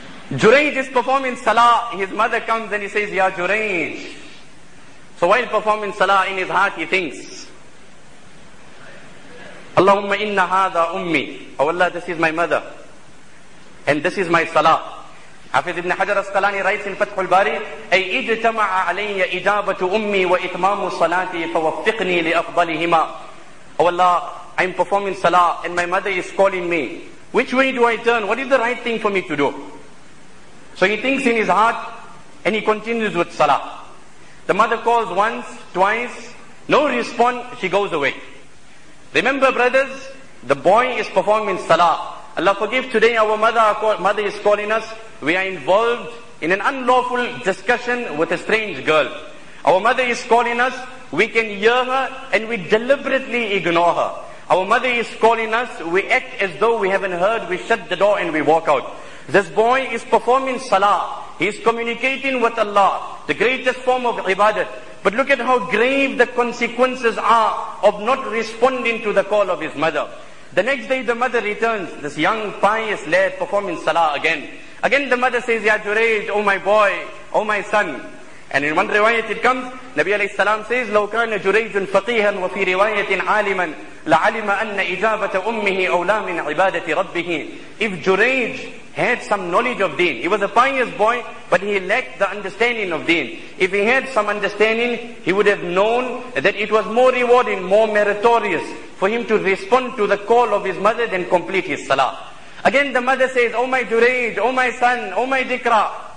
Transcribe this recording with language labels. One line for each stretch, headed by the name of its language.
English: Juraij is performing salah. His mother comes and he says, Ya Juraij. So while performing salah, in his heart he thinks,
Arabic: Allahumma inna hadha ummi.
English: Oh Allah, this is my mother. And this is my salah. Hafiz ibn Hajar Asqalani writes in Fathul Bari,
Arabic: أي اجتمع علي إجابة أمي وإتمام صلاتي فوفقني لأفضلهما.
English: Oh Allah, I'm performing salah and my mother is calling me. Which way do I turn? What is the right thing for me to do? So he thinks in his heart and he continues with salah. The mother calls once, twice, no response, she goes away. Remember brothers, the boy is performing salah. Allah forgive, today our mother is calling us. We are involved in an unlawful discussion with a strange girl. Our mother is calling us, we can hear her and we deliberately ignore her. Our mother is calling us, we act as though we haven't heard, we shut the door and we walk out. This boy is performing salah. He is communicating with Allah, the greatest form of ibadat. But look at how grave the consequences are of not responding to the call of his mother. The next day the mother returns, this young pious lad performing salah again. Again the mother says, Ya Juraij, oh my boy, oh my son. And in one riwayat it comes, Nabi alayhi salam says,
Arabic: لو كان جريج فقيها وفي رواية عالما لعلم أن إجابة أمه أولى من عبادة ربه.
English: If Juraij had some knowledge of deen, he was a pious boy, but he lacked the understanding of deen. If he had some understanding, he would have known that it was more rewarding, more meritorious for him to respond to the call of his mother than complete his salah. Again the mother says, oh my Juraij, oh my son, oh my Dikra.